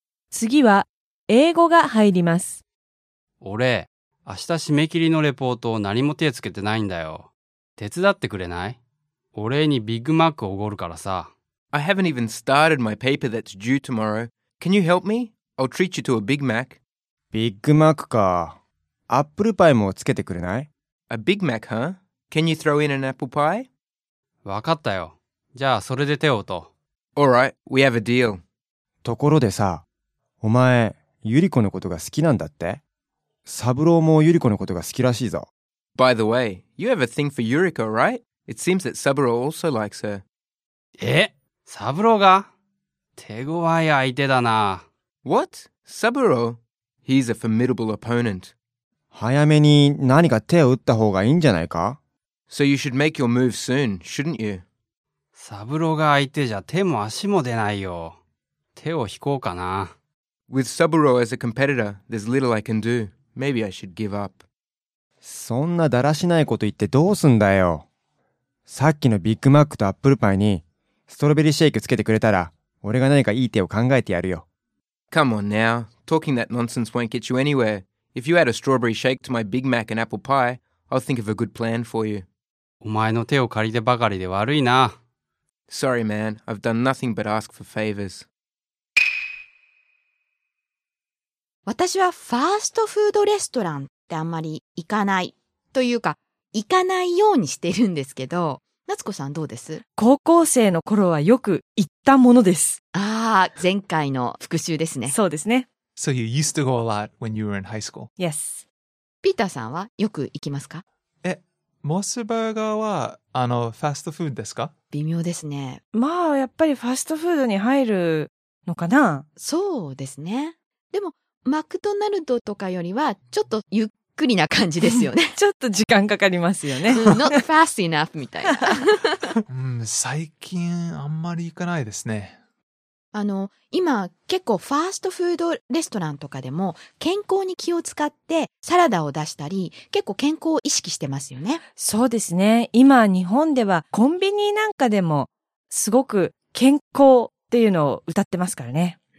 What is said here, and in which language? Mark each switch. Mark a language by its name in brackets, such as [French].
[Japanese] 次は英語が入ります。俺、明日締め切りのレポートを何も手つけてないんだよ。手伝ってくれない？お礼にビッグマックをおごるからさ。 [English] I haven't even started my paper that's due tomorrow. Can you help me? I'll treat you to a Big Mac. [Japanese] Big Mac か。アップルパイもつけてくれない？ [English] A Big Mac, huh? Can you throw in an apple pie? [Japanese] わかったよ。じゃあそれで手を打とう。 [English] All right, we have a deal. [Japanese] ところでさ、お前、ユリコのことが好きなんだって？サブローもユリコのことが好きらしいぞ。 [English] By the way, you have a thing for Yuriko, right? It seems that Saburo also likes her. [Japanese] え？サブローが？手強い相手だな。 [English] What? サブロー？ He's a formidable opponent. [Japanese] 早めに何か手を打った方がいいんじゃないか？ [English] So you should make your move soon, shouldn't you? [Japanese] サブローが相手じゃ手も足も出ないよ。手を引こうかな。 [English] With Saburo as a competitor, there's little I can do. Maybe I should give up. [Japanese] そんなだらしないこと言ってどうすんだよ。さっきのビッグマックとアップルパイにストロベリーシェイクつけてくれたら、俺が何かいい手を考えてやるよ。 [English] Come on now. Talking that nonsense won't get you anywhere. If you add a strawberry shake to my Big Mac and apple pie, I'll think of a good plan for you. [Japanese] お前の手を借りてばかりで悪いな。 [English] Sorry, man. I've done nothing but ask for favors. [Japanese] 私はファーストフードレストランってあんまり行かない。というか、行かないようにしてるんですけど、夏子さんどうです？高校生の頃はよく行ったものです。ああ、前回の復習ですね。そうですね。 [English] So you used to go a lot when you were in high school? Yes. [Japanese] ピーターさんはよく行きますか？え、モスバーガーはあのファストフードですか？微妙ですね。まあやっぱりファストフードに入るのかな。そうですね。でもマクドナルドとかよりはちょっとゆっくりな感じですよね。ちょっと時間かかりますよね。 [English] Not fast enough [Japanese] みたいな。最近あんまり行かないですね。今結構ファーストフードレストランとかでも健康に気を使ってサラダを出したり結構健康を意識してますよね。そうですね。今日本ではコンビニなんかでもすごく健康っていうのを歌ってますからね。